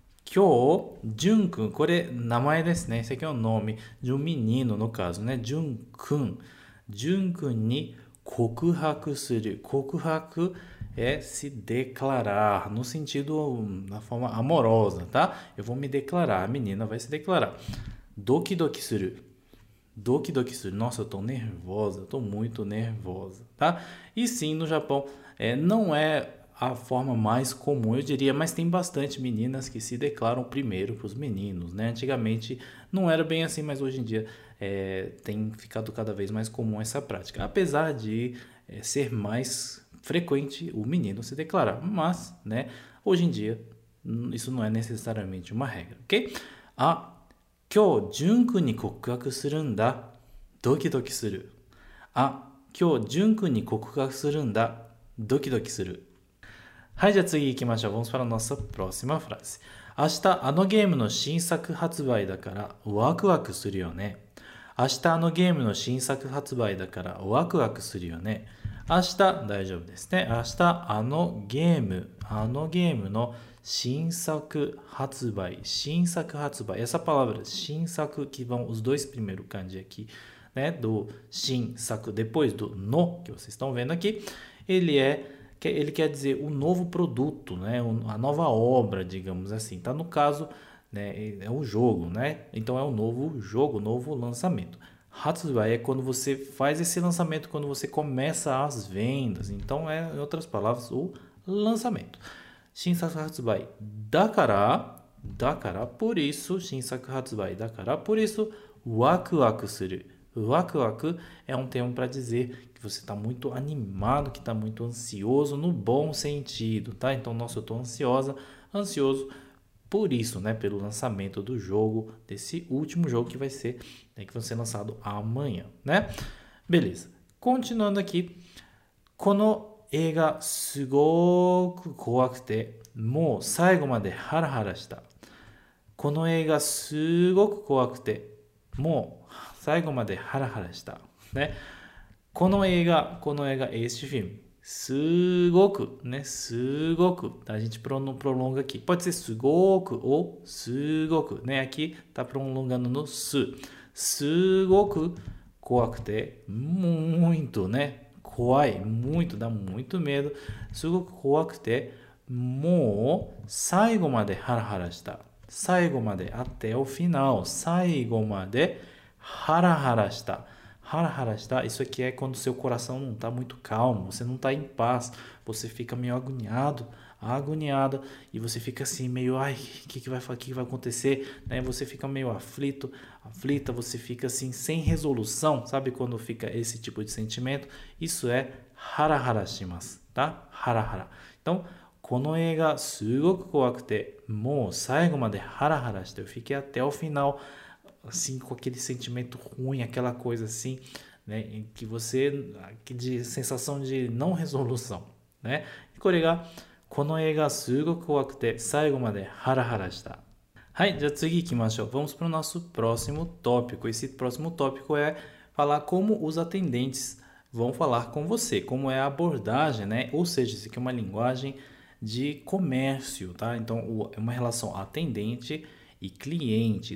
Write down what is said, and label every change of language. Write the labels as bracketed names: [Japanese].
[Japanese] 今日、ジュン君、これ名前ですね。先ほどのお名前、ジュン君にの caso ね。ジュン君、ジュン君に告白する。告白、 [Portuguese] é se declarar, no sentido, na forma amorosa, tá? Eu vou me declarar, a menina vai se declarar. [Japanese] Doki doki suru. Doki doki suru. [Portuguese] Nossa, eu tô nervosa, eu tô muito nervosa, tá? E sim, no Japão, não é a forma mais comum, eu diria, mas tem bastante meninas que se declaram primeiro pros meninos, né? Antigamente não era bem assim, mas hoje em dia tem ficado cada vez mais comum essa prática. Apesar de ser mais frequente o menino se declarar, mas, né, hoje em dia isso não é necessariamente uma regra, ok? [Japanese] Ah, 今日、淳君に告白するんだ。ドキドキする。あ、今日、淳君に告白するんだ。ドキドキする。はい、じゃあ次行きましょう。 [Portuguese] Vamos para a nossa próxima frase. [Japanese] 明日、あのゲームの新作発売だからワクワクするよね。明日、あのゲームの新作発売だからワクワクするよね。明日大丈夫ですね。明日あのゲームの新作発売。新作発売。 [Portuguese] Essa palavra, 新作 que vão os dois primeiros kanji aqui, né? Do 新作 depois do no que vocês estão vendo aqui, ele quer dizer o um novo produto, né? A nova obra, digamos assim. Tá no caso, né? É o jogo, né? Então é o um novo jogo, novo lançamento. Hatsubai é quando você faz esse lançamento, quando você começa as vendas. Então, em outras palavras, o lançamento. Shinsaku Hatsubai. Dakara, por isso, Shinsaku Hatsubai. Dakara, por isso, wakuwaku suru. Wakuwaku é um termo para dizer que você está muito animado, que está muito ansioso, no bom sentido, tá? Então, nossa, eu estou ansiosa, ansioso. Por isso, né, pelo lançamento do jogo, desse último jogo que vai ser, que vai ser lançado amanhã, né? Beleza. Continuando aqui. [Japanese] この映画すごく怖くて、もう最後までハラハラした。この映画すごく怖くて、もう最後までハラハラした。ね。この映画、 [Portuguese] este filme。 [Japanese] すごく、ね、すごく。 [Portuguese] A gente prolonga aqui. Pode ser すごくをすごく。ね、aqui tá prolongando no す。 [Japanese] すごく怖くて、 [Portuguese] muito, né? 怖い、muito, dá muito medo. [Japanese] すごく怖くて、もう最後までハラハラした。 [Portuguese] 最後まで、até o final. [Japanese] 最後までハラハラした。ハラハラした、 [Portuguese] isso aqui é quando seu coração não está muito calmo, você não está em paz, você fica meio agoniado, agoniada, e você fica assim meio, ai, o que vai acontecer, né? Você fica meio aflito, aflita, você fica assim sem resolução, sabe quando fica esse tipo de sentimento? Isso é [Japanese] hara hara shimasu, [Portuguese] tá? Hara hara. Então, [Japanese] この映画すごく怖くて、もう最後までハラハラして、 [Portuguese] eu fiquei até o final assim com aquele sentimento ruim, aquela coisa assim, né, em que você de sensação de não resolução, né? [Japanese] E これがこの映画すごく怖くて最後までハラハラした。はい、じゃあ次行きましょう。 [Portuguese] Vamos para o nosso próximo tópico. Esse próximo tópico é falar como os atendentes vão falar com você, como é a abordagem, né? Ou seja, isso aqui é uma linguagem de comércio, tá? Então, é uma relação atendente e cliente.